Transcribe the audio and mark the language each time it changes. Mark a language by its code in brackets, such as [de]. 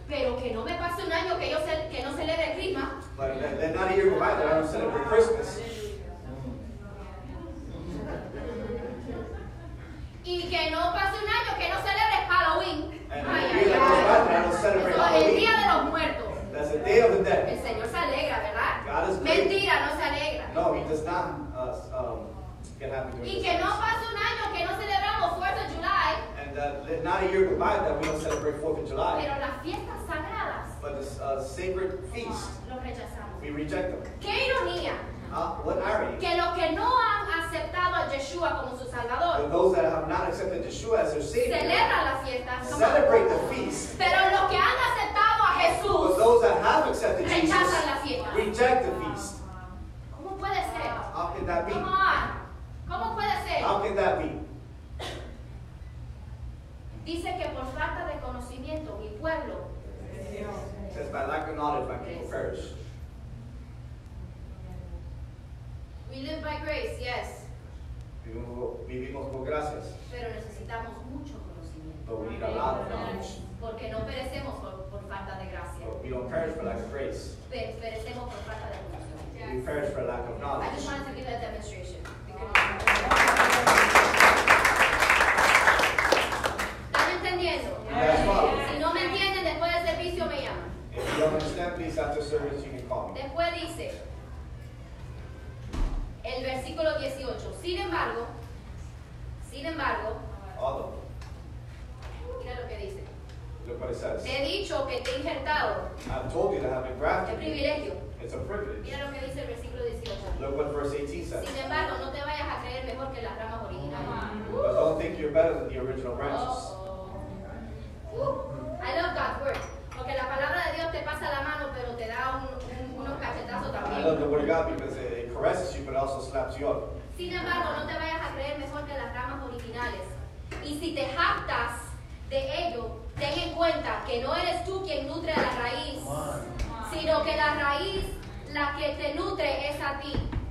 [es] Pero que no me pase un año que yo que no celebre el clima. [en] But let not a year go by that I don't celebrate Christmas. [es] Y que no pase un año que no celebre Halloween. [en] And a year that goes by that I don't celebrate Halloween. [es] El día de los muertos. [en] That's the day of the dead. [es] El Señor se alegra, ¿verdad? [en] God is great. [es] Mentira, no se alegra. [en] No, he does not get happy. [es] Y que no pase un año que no celebramos 4th of July. [en] And not a year goodbye that we don't celebrate 4th of July. [es] Pero las fiestas sagradas. [en] But the sacred feast. [es] Lo rechazamos. [en] We reject them. [es] Qué ironía. [en] What irony. [es] Que los que no han aceptado a Yeshua como su Salvador. [en] But those that have not accepted Yeshua as their Savior. [es] Celebra la fiesta. [en] Celebrate the feast. [es] Pero los que han aceptado. [en] But those that have accepted Jesus reject the feast. [es] ¿Cómo puede ser? [en] How can that be? Come on. [es] ¿Cómo puede ser? [en] How can that be? [es] Dice que por falta de conocimiento, mi pueblo. [en] It says by lack of knowledge, my people perish. We live by grace, yes. [es] Vivimos por gracias. Pero necesitamos mucho conocimiento. [en] But we need a lot of knowledge. [es] Porque no perecemos por falta de gracia. [en] We don't perish for lack of grace. [es] Perecemos por falta de conocimiento. [en] We perish for lack of knowledge. I just wanted to give that demonstration. [es] ¿Están entendiendo? Si no me entienden, después del servicio me llaman. [en] If you don't understand, please, after service, you can call me. [es] Después dice, el versículo 18, sin embargo, mira lo que dice. [en] Look what it says. [es] Te he dicho que te he injertado. [en] I've told you that I have been grafted. [es] Es privilegio. [en] It's a privilege. [es] Mira lo que dice el versículo 18. [en] Look what verse 18 says. [es] Sin embargo, no te vayas a creer mejor que las ramas originales. [en] But don't think you're better than the original branches. I love God's word. [es] Porque la palabra de Dios te pasa la mano, pero te da unos cachetazos también. [en] I love the word of God because it caresses you, but also slaps you up. [es] Sin embargo, no te vayas a creer mejor que las ramas originales. Y si te jactas de ello, ten en cuenta que no eres tú quien nutre a la raíz, sino que la raíz, la que te nutre es a ti.